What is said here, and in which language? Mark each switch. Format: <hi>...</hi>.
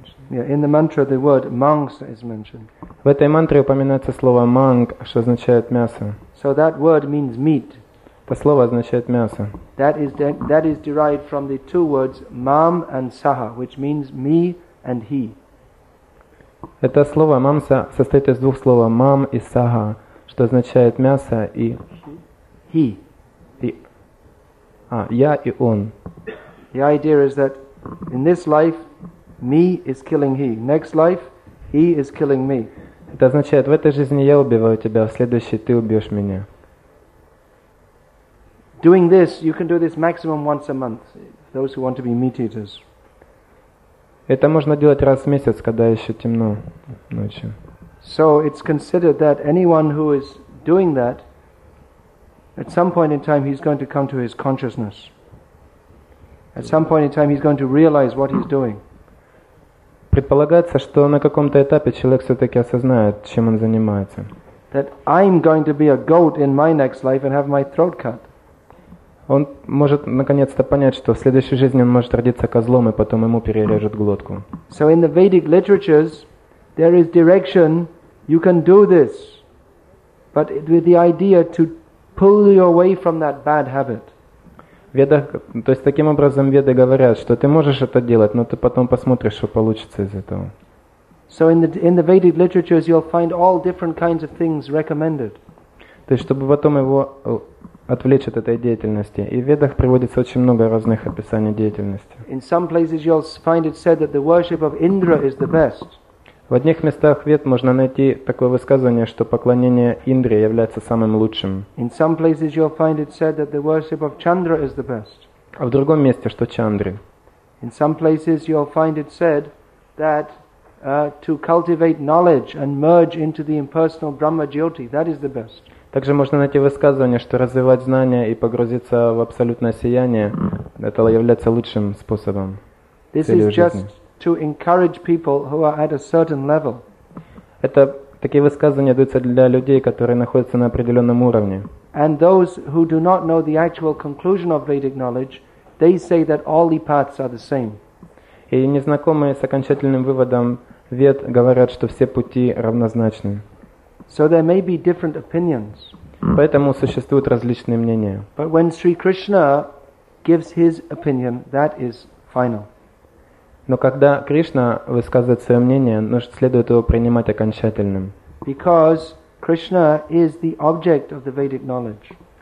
<en>In the mantra the word mangsa is mentioned.</en> <ru>В этой мантре упоминается слово манг, что означает мясо.</ru> <en>So that word means meat.</en> <ru>Это слово означает мясо.</ru> <en>That is derived from the two words mam and saha, which means me and he.</en> <ru>Это слово мамса состоит из двух слов мам и саха, что означает мясо и</ru> <en>he.</en> <ru>Я и он.</ru> <en>The idea is that in this life me is killing he. Next life he is killing me.</en> <ru>Это означает, в этой жизни я убиваю тебя, в следующей ты убьешь меня.</ru> <en>Doing this, you can do this maximum once a month. Those who want to be meat eaters.</en> <ru>Это можно делать раз в месяц, когда еще темно ночью.</ru> <en>So it's considered that anyone who is doing that, at some point in time, he's going to come to his consciousness. At some point in time, he's going to realize what he's doing.</en> <ru>Предполагается, что на каком-то этапе человек все-таки осознает, чем он занимается.</ru> <en>That I'm going to be a goat in my next life and have my throat cut.</en> <ru>Он может наконец-то понять, что в следующей жизни он может родиться козлом и потом ему перережут глотку.</ru> <en>So in the Vedic literatures there is direction you can do this, but with the idea to pull you away from that bad habit.</en> <ru>Ведах, то есть таким образом веды говорят, что ты можешь это делать, но ты потом посмотришь, что получится из этого.</ru> <en>So in the Vedic literatures you'll find all different kinds of things recommended.</en> <ru>То есть чтобы потом его отвлечь от этой деятельности. И в ведах приводится очень много разных описаний деятельности.</ru> <en>In some places you'll find it said that the worship of Indra is the best.</en> <ru>В одних местах вед можно найти такое высказывание, что поклонение Индре является самым лучшим.</ru> <en>In some places you'll find it said that the worship of Chandra is the best.</en> <ru>А в другом месте, что Чандры.</ru> <en>In some places you'll find it said that to cultivate knowledge and merge into the impersonal Brahma Jyoti, that is the best.</en> <ru>Также можно найти высказывание, что развивать знания и погрузиться в абсолютное сияние – это является лучшим способом целью жизни.</ru> <en>This is just to encourage people who are at a certain level.</en> <ru>Это Такие высказывания даются для людей, которые находятся на определенном уровне.</ru> <en>And those who do not know the actual conclusion of Vedic knowledge, they say that all the paths are the same.</en> <ru>И незнакомые с окончательным выводом Вед говорят, что все пути равнозначны.</ru> <en>So there may be different opinions.</en> <ru>Поэтому существуют различные мнения.</ru> <en>But when Sri Krishna gives his opinion, that is final.</en> <ru>Но когда Кришна высказывает свое мнение, нужно следует его принимать окончательным.</ru> <en>Because Krishna is the object of the Vedic knowledge.</en>